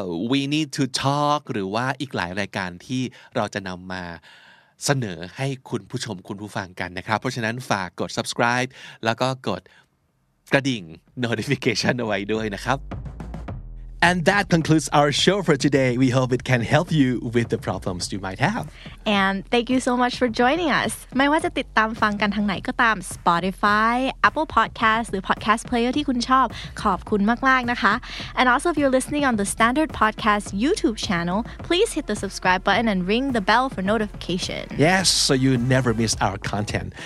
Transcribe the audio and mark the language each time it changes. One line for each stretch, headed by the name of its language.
Thai: we need to talk หรือว่าอีกหลายรายการที่เราจะนำมาเสนอให้คุณผู้ชมคุณผู้ฟังกันนะครับเพราะฉะนั้นฝากกด subscribe แล้วก็กดกระดิ่ง notification เอาไว้ด้วยนะครับ
English: And that concludes our show for today. We hope it can help you with the problems you might have. And thank you so much for joining us.
Thai: ไม่ว่าจะติดตามฟังกันทางไหนก็ตาม Spotify, Apple Podcasts หรือ Podcast Player ที่คุณชอบขอบคุณมากๆนะคะ
English: And also if you're listening on the Standard Podcast YouTube channel, please hit the subscribe button and ring the bell for notification. Yes, so you never miss our content.